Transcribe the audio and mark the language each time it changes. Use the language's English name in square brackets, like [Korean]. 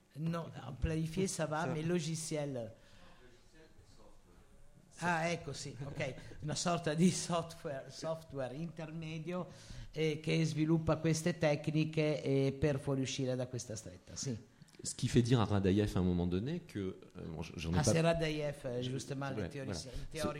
[French] No, planifiée ça va, mais logicielle. [Italian] Ah, ecco, sì, ok, una sorta di software intermedio che sviluppa queste tecniche per fuoriuscire da questa stretta, sì. [French] Ce qui fait dire à Radaïev à un moment donné que... c'est Radaïev, justement, le théoricien, voilà.